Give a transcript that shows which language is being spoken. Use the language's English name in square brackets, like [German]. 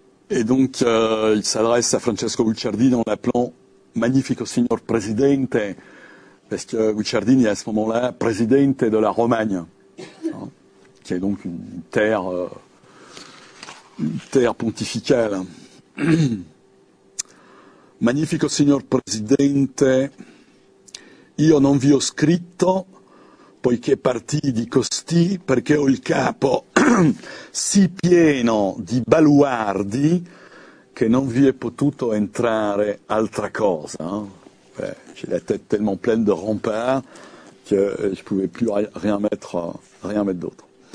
[French] Et donc, il s'adresse à Francesco Guicciardini en l'appelant Magnifique [Italian] signor presidente, [French] parce que Guicciardini est à ce moment-là presidente de la Romagne, hein, qui est donc une terre pontificale. [Italian] Magnifico signor presidente, io non vi ho scritto poiché partii di costì perché ho il capo sì pieno di baluardi che non vi è potuto entrare altra cosa. Hein? [French] J'ai la tête tellement pleine de remparts que je pouvais plus rien mettre d'autre.